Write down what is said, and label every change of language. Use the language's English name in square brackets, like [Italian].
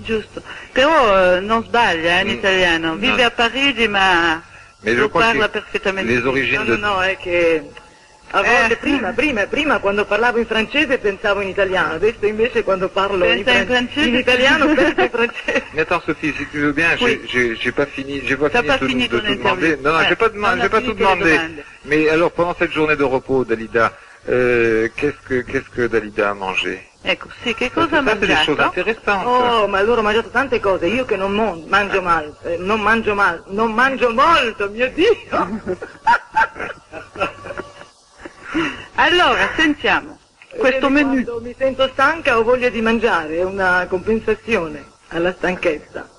[Italian] Giusto, però non sbaglia in italiano, vive no. A Parigi, ma lo parla perfettamente. [French] Les origines [Italian] no, è che... A volte prima quando parlavo in francese pensavo in italiano, adesso invece quando parlo in francese, in italiano penso in francese. [French] Mais attends Sophie, si tu veux bien, oui. j'ai pas fini de te demander. Non, j'ai pas tout demandé. Mais alors pendant cette journée de repos Dalida, qu'est-ce que Dalida a mangé? [Italian] Ecco, sì, che cosa ha mangiato? Delle cose interessanti. Oh, ma allora ho mangiato tante cose, io che non mangio molto, mio Dio. Allora, sentiamo, questo menù. Quando mi sento stanca ho voglia di mangiare, è una compensazione alla stanchezza.